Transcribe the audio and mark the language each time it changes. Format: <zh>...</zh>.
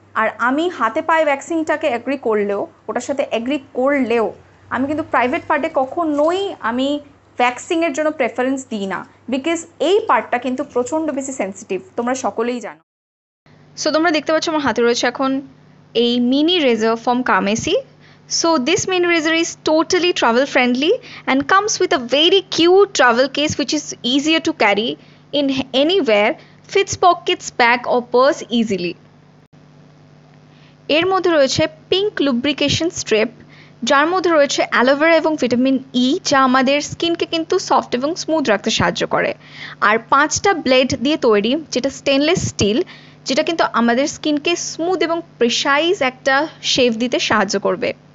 <bn>আর আমি হাতে পায়ে ওয়্যাক্সিংটাকে অ্যাগ্রি করলেও, ওটার সাথে অ্যাগ্রি করলেও, আমি কিন্তু প্রাইভেট পার্টে কখনোই আমি ওয়্যাক্সিংয়ের জন্য প্রেফারেন্স দিই না, বিকজ এই পার্টটা কিন্তু প্রচণ্ড বেশি সেন্সিটিভ, তোমরা সকলেই জানো। সো তোমরা দেখতে পাচ্ছ আমার হাতে রয়েছে এখন এই mini razor from কার্মেসি।</bn> <en>So this mini razor is totally travel friendly and comes with a very cute travel case which is easier to carry in anywhere, fits pockets, bag or purse easily.</en> <bn>এর মধ্যে রয়েছে pink lubrication strip, যার মধ্যে রয়েছে aloe vera এবং vitamin E, যা আমাদের স্কিনকে কিন্তু সফট এবং স্মুথ রাখতে সাহায্য করে। আর পাঁচটা ব্লেড দিয়ে তৈরি, যেটা স্টেনলেস স্টিল, যেটা কিন্তু আমাদের স্কিনকে স্মুথ এবং প্রিসাইজ একটা শেপ দিতে সাহায্য করবে।</bn>